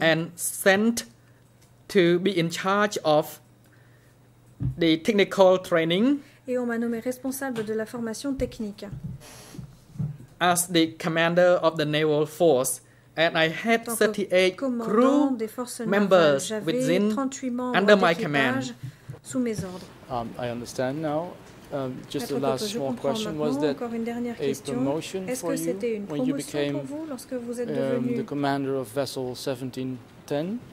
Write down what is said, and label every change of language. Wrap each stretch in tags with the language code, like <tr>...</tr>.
<en>And sent to be in charge of the technical training.</en> <fr>Et on m'a nommé responsable de la formation technique.</fr> <en>As the commander of the naval force, and I had 38 crew members within under my command.</en> <fr>Sous mes ordres.</fr> <en>I understand now. Just a last small question, was that a promotion for you when you became the commander of vessel 1710?</en>